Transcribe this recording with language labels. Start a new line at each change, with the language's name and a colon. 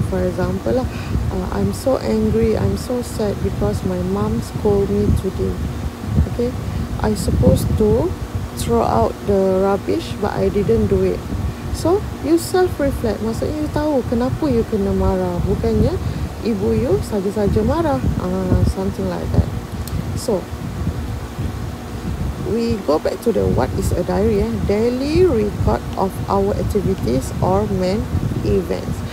English: For example lah, I'm so angry, I'm so sad because my mom scold me today. Okay, I supposed to throw out the rubbish but I didn't do it. So, you self-reflect.
Malay: Maksudnya, you tahu kenapa you kena marah. Bukannya ibu you saja-saja marah.
English: Something like that. So, we go back to the what is a diary. Daily record of our activities or main events.